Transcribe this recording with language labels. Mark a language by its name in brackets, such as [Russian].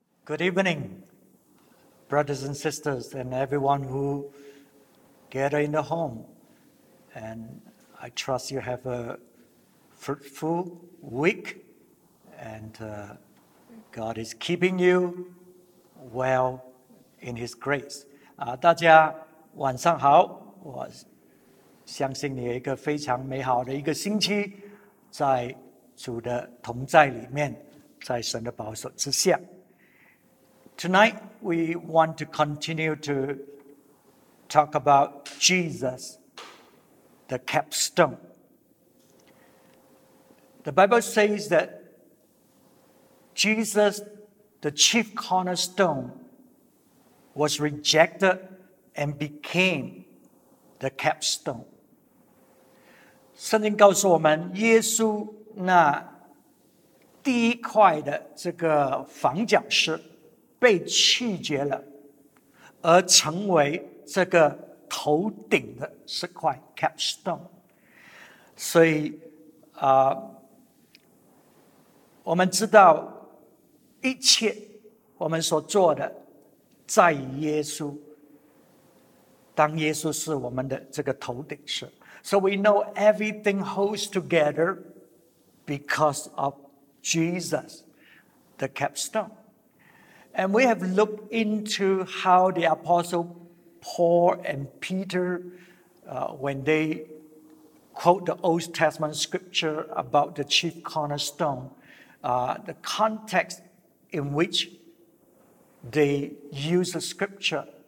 [English] Good evening, brothers and sisters, and everyone who gather in the home. And I trust you have a fruitful week, and God is keeping you well in His grace. [Chinese] 大家晚上好，我相信你有一个非常美好的一个星期，在主的同在里面，在神的保守之下。 [English] Tonight, we want to continue to talk about Jesus, the capstone. The Bible says that Jesus, the chief cornerstone, was rejected and became the capstone. [Chinese] 圣经告诉我们，耶稣那第一块的这个房角石被弃绝了，而成为这个头顶的石块 capstone。所以、我们知道一切我们所做的在于耶稣，当耶稣是我们的这个头顶石。 [English] So we know everything holds together because of Jesus, the capstone. And we have looked into how the Apostle Paul and Peter, when they quote the Old Testament scripture about the chief cornerstone, the context in which they use the scripture.